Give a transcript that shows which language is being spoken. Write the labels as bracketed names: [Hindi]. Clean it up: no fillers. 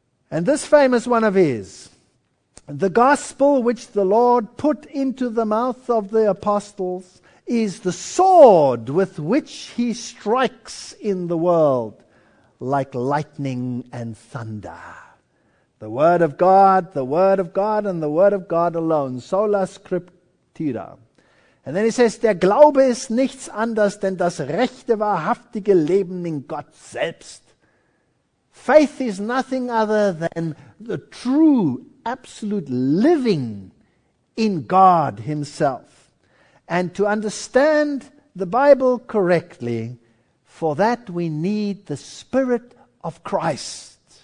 [English] And this famous one of his, the gospel which the Lord put into the mouth of the apostles is the sword with which he strikes in the world like lightning and thunder. The word of God, the word of God, and the word of God alone. [Latin] Sola scriptura. [English] And then he says, [German] der Glaube ist nichts anders denn das rechte, wahrhaftige Leben in Gott selbst. [English] Faith is nothing other than the true, absolute living in God himself. And to understand the Bible correctly, for that we need the Spirit of Christ.